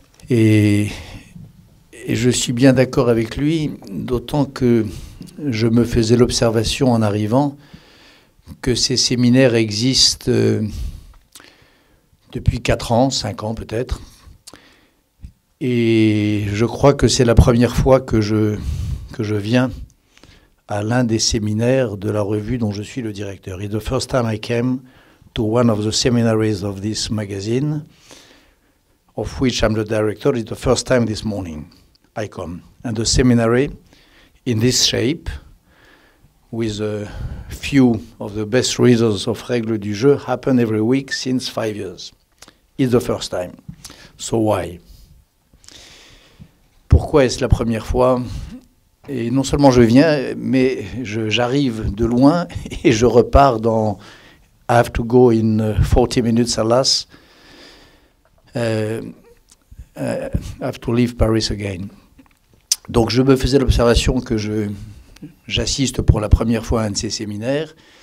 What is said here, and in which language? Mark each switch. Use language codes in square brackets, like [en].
[fr] Et je suis bien d'accord avec lui, d'autant que je me faisais l'observation en arrivant que ces séminaires existent depuis 4 ans, 5 ans peut-être. Et je crois que c'est la première fois que je viens à l'un des séminaires de la revue dont je suis le directeur. [en] It's the first time I came to one of the seminaries of this magazine, of which I'm the director. It's the first time this morning I come. And the seminary in this shape, with a few of the best readers of Règles du jeu, happen every week since 5 years. It's the first time. So why? [fr] Pourquoi est-ce la première fois? Et non seulement je viens, mais j'arrive de loin et je repars dans « [en] I have to go in 40 minutes, alas. I have to leave Paris again. [fr] » Donc je me faisais l'observation que j'assiste pour la première fois à un de ces séminaires.